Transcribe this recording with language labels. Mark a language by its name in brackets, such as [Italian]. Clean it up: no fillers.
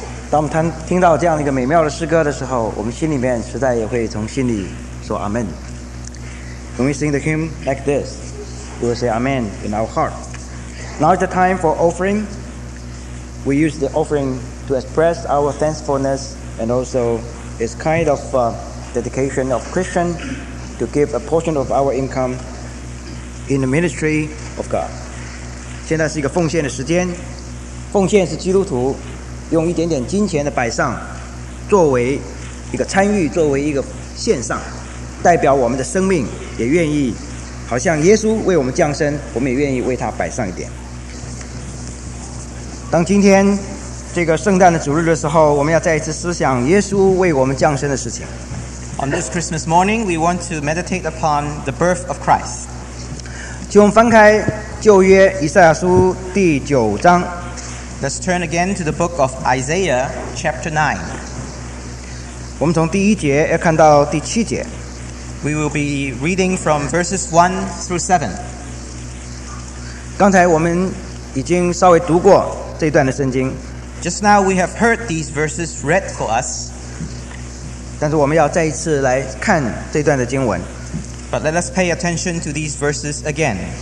[Chinese] 当我们听到这样一个美妙的诗歌的时候，我们心里面实在也会从心里说 Amen。 [English] When we sing the hymn like this, we will say Amen in our heart. Now is the time for offering. We use the offering to express our thankfulness and also it's kind of dedication of Christian to give a portion of our income in the ministry of God. [Chinese] 现在是一个奉献的时间，奉献是基督徒用一点点金钱的摆上，作为一个参与，作为一个献上，代表我们的生命，也愿意好像耶稣为我们降生，我们也愿意为他摆上一点。当今天这个圣诞的主日的时候，我们要再一次思想耶稣为我们降生的事情。 [English] On this Christmas morning, we want to meditate upon the birth of Christ. [Chinese] 请我们翻开旧约以赛亚书第九章。 [English] Let's turn again to the book of Isaiah, chapter 9. [Chinese] 我们从第一节要看到第七节。 [English] We will be reading from verses 1 through 7. [Chinese] 刚才我们已经稍微读过这一段的圣经。 [English] Just now we have heard these verses read for us. [Chinese] 但是我们要再一次来看这段的经文。 [English] But let us pay attention to these verses again.